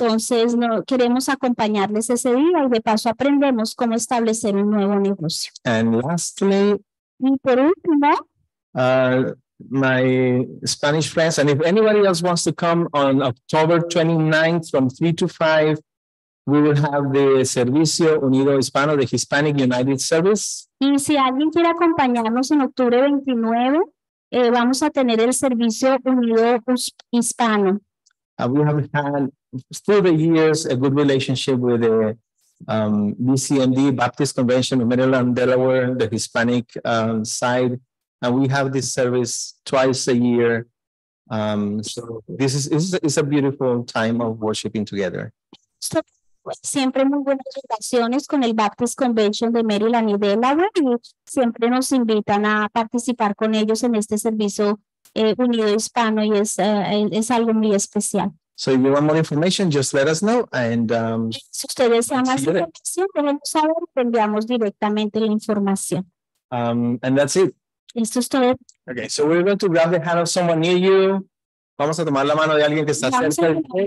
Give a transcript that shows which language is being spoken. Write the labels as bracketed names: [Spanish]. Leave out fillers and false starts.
[Spanish] Entonces, no, queremos acompañarles ese día y de paso aprendemos cómo establecer un nuevo negocio. [English] And lastly, [Spanish] y por último, [English] my Spanish friends, and if anybody else wants to come on October 29th from 3 to 5, we will have the Servicio Unido Hispano, the Hispanic United Service. [Spanish] Y si alguien quiere acompañarnos en octubre 29, vamos a tener el Servicio Unido Hispano. [English] We have had through the years a good relationship with the BCMD, Baptist Convention of Maryland, Delaware, the Hispanic side. And we have this service twice a year. So this is a beautiful time of worshiping together. [Spanish] So, siempre muy buenas relaciones con el Baptist Convention de Maryland y Delaware. Y siempre nos invitan a participar con ellos en este servicio unido hispano y es algo muy especial. [English] So if you want more information, just let us know. And [Spanish] si ustedes desean más información, déjenos saber, te enviamos directamente la información. [English] And that's it. [Spanish] Esto es todo. [English] Okay, so we're going to grab the hand of someone near you. [Spanish] Vamos a tomar la mano de alguien que está cerca.